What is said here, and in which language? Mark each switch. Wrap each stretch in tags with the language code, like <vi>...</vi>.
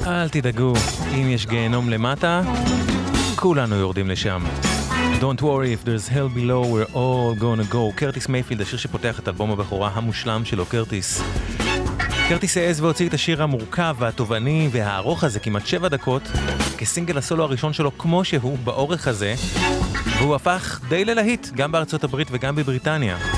<he>תדאגו, אם יש גיהנום למטה, כולנו יורדים לשם.</he> <en>Don't worry if there's hell below, we're all gonna go.</en> <he>קרטיס מייפילד, השיר שפותח את אלבום הבכורה המושלם שלו, קרטיס. קרטיס העז והוציא את השיר המורכב והתובעני והארוך הזה, כמעט 7 דקות, כסינגל הסולו הראשון שלו כמו שהוא, באורך הזה, והוא הפך די ללהיט, גם בארצות הברית וגם בבריטניה.</he>